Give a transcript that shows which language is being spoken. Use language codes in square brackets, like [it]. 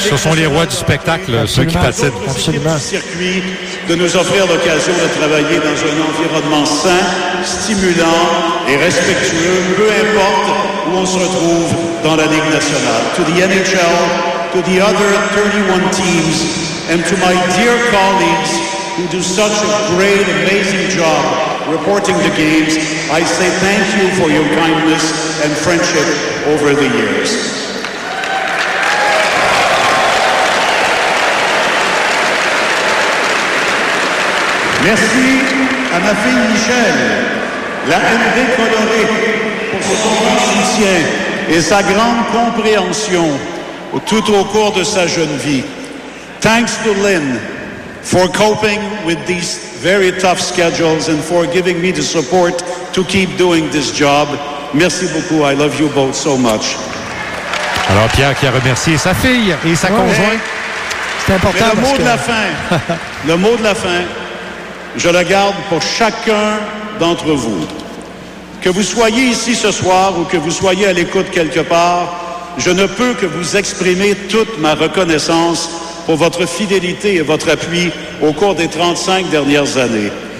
[fr] ce sont les rois du spectacle, ceux qui patinent. Absolument. Circuit de nous offrir l'occasion de travailler dans un environnement sain, stimulant et respectueux, peu importe où on se retrouve dans la Ligue nationale. [en] To the NHL, to the other 31 teams, and to my dear colleagues who do such a great, amazing job reporting the games, I say thank you for your kindness and friendship over the years. [fr] Merci à ma fille Michelle, la MD colorée, pour son soutien et sa grande compréhension tout au cours de sa jeune vie. [en] Thanks to Lynn for coping with these very tough schedules and for giving me the support to keep doing this job. [fr] Merci beaucoup. [en] I love you both so much. [fr] Alors, Pierre qui a remercié sa fille et sa conjointe. C'est important. Mais le mot de la fin, le mot de la fin, je le garde pour chacun d'entre vous. Que vous soyez ici ce soir ou que vous soyez à l'écoute quelque part, je ne peux que vous exprimer toute ma reconnaissance pour votre fidélité et votre appui au cours des 35 dernières années.